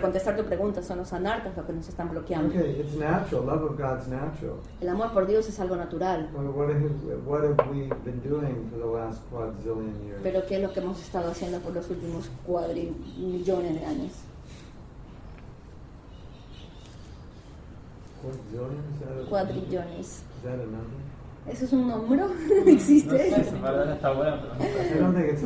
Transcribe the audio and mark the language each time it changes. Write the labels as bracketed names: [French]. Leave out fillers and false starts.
[Spanish] contestar tu pregunta, son los anarthas los que nos están bloqueando. [English] Okay, it's natural. Love of God's natural. [Spanish] El amor por Dios es algo natural. [English] What have we been doing for the last quadzillion years? [Spanish] Pero qué es lo que hemos estado haciendo por los últimos cuadrimillones de años. Quadrillones. ¿Eso es un número? ¿Existe? No sé, esa palabra está buena, pero no creo.